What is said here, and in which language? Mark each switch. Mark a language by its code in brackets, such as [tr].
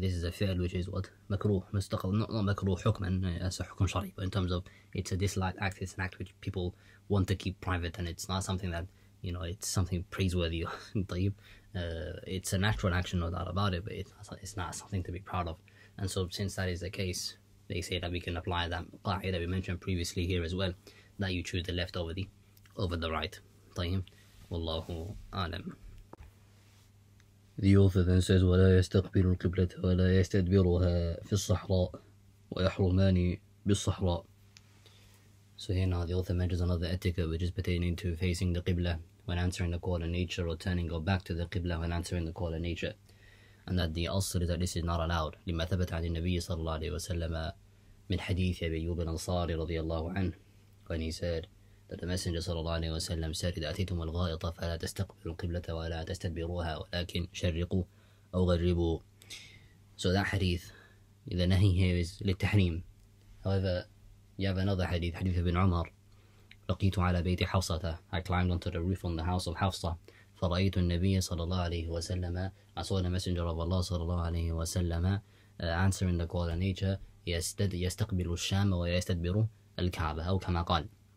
[en] This is a fi'l which is what? Makruh, mustaqdar, not makruh hukman, as a hukum shari, but in terms of it's a disliked act, it's an act which people want to keep private, and it's not something that, you know, it's something praiseworthy. It's a natural action, no doubt about it, but it's not something to be proud of. And so since that is the case, they say that we can apply that qa'idah that we mentioned previously here as well, that you choose the left over the right. [ar] طيب. Wallahu alam. [en] The author then says, [ar] وَلَا يَسْتَقْبِلُ الْقِبْلَةَ وَلَا يَسْتَدْبِرُهَا فِي الصَّحْرَاءِ وَيَحْرُمَانِ بِالصَّحْرَاءِ. [en] So here now the author mentions another etiquette which is pertaining to facing the qibla when answering the call of nature, or turning or back to the qibla when answering the call of nature. And that the asr is that this is not allowed. [ar] لِمَا ثَبَتَ عَنِ النَّبِيِّ صَلَّى اللَّهُ عَلَيْهِ وَسَلَّمَ مِنْ حَدِيثِ أَبِي أَيُّوبَ الْأَنْصَارِ رَضِيَ اللَّهُ عَنْهُ. [en] When he said that the Messenger [ar] صَلَّى اللَّهُ عَلَيْهِ وَسَلَّمَ [en] said, [ar] إِذَا أَتَيْتُمُ الْغَائِطَ فَلَا تَسْتَقْبِلُوا الْقِبْلَةَ وَلَا تَسْتَدْبِرُوهَا وَلَكِنْ شَرِّقُوا أَوْ غَرِّبُوا. [en] So that hadith, the nahi here is للتحريم. However, you have another hadith, hadith ibn Umar. [ar] لَقِيتُ عَلَى بَيْتِ حَوْصَةَ. [en] I climbed onto the roof on the house of Hafsa. [ar] فَرَأَيْتُ النَّبِيَّ صَلَّى اللَّهُ عَلَيْهِ وَسَلَّمَ. [en] I saw the Messenger of Allah صلى الله عليه وسلم answering the call of nature, [ar] يستقبل الشام ويستدبر الكعبة, أو كما قال.